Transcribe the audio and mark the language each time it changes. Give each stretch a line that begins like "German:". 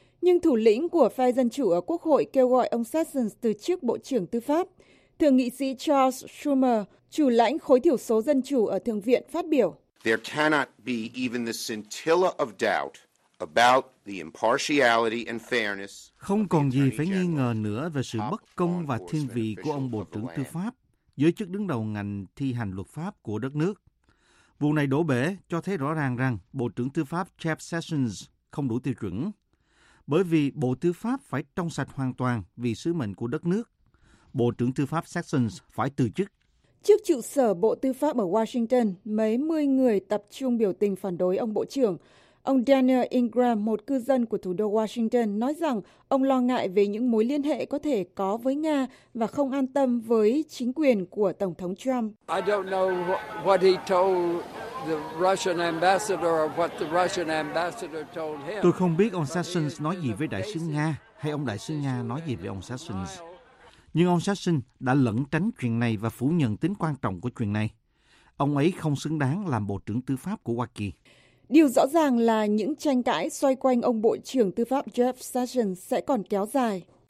Vietnamese: Nhưng thủ lĩnh của phe Dân Chủ ở Quốc hội kêu gọi ông Sessions từ chức Bộ trưởng Tư pháp. Thượng nghị sĩ Charles Schumer, chủ lãnh khối thiểu số Dân Chủ ở Thượng viện, phát biểu:
English: There cannot be even the scintilla of doubt about the impartiality and fairness.
Vietnamese: Không còn gì phải nghi ngờ nữa về sự bất công và thiên vị của ông Bộ trưởng Tư pháp, giới chức đứng đầu ngành thi hành luật pháp của đất nước. Vụ này đổ bể cho thấy rõ ràng rằng Bộ trưởng Tư pháp Jeff Sessions không đủ tiêu chuẩn, bởi vì Bộ Tư pháp phải trong sạch hoàn toàn vì sứ mệnh của đất nước. Bộ trưởng Tư pháp Sessions phải từ chức. Trước trụ sở Bộ Tư pháp ở Washington, mấy mươi người tập trung biểu tình phản đối ông Bộ trưởng. Ông Daniel Ingram, một cư dân của thủ đô Washington, nói rằng ông lo ngại về những mối liên hệ có thể có với Nga và không an tâm với chính quyền của Tổng thống Trump.
English: I don't know what he told the Russian ambassador or what the Russian ambassador told him.
Vietnamese: Tôi không biết ông Sessions nói gì với đại sứ Nga hay ông đại sứ Nga nói gì với ông Sessions. Nhưng ông Sasson đã lẩn tránh chuyện này và phủ nhận tính quan trọng của chuyện này. Ông ấy không xứng đáng làm Bộ trưởng Tư pháp của Hoa Kỳ. Điều rõ ràng là những tranh cãi xoay quanh ông Bộ trưởng Tư pháp Jeff Sessions sẽ còn kéo dài.